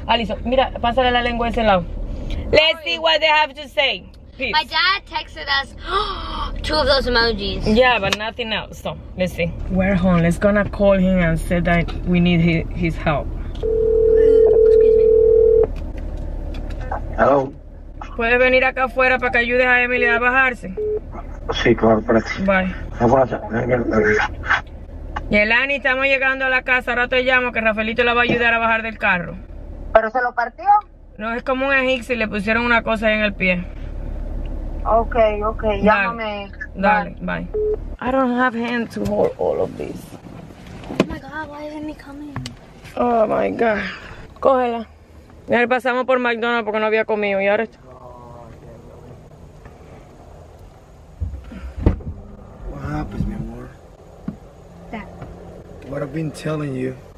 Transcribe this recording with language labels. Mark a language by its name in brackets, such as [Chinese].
[English] Alison, [Spanish] mira, pásale la lengua ese lado. [English] Let's see what they have to say. Peace. My dad texted us two of those emojis. Yeah, but nothing else. So, let's see. We're home. Let's gonna call him and say that we need his help. Excuse me. Hello. [Spanish] ¿Puedes venir acá afuera para que ayudes a Emily a bajarse? Sí, claro, gracias. [English] Bye. [Spanish] ¿Qué pasa? Yelani, estamos llegando a la casa. Ahora te llamo que Rafaelito la va a ayudar a bajar del carro. ¿Pero se lo partió? No, es como un egipcio y le pusieron una cosa ahí en el pie. Ok, ok, llámame. Dale, bye. [English] I don't have hand to hold all of this. Oh my God, why isn't he coming? Oh my God. [Spanish] Cógela. Ya pasamos por McDonald's porque no había comido y ahora está. [English] What happens, [Spanish] mi amor? [English] That. What I've been telling you.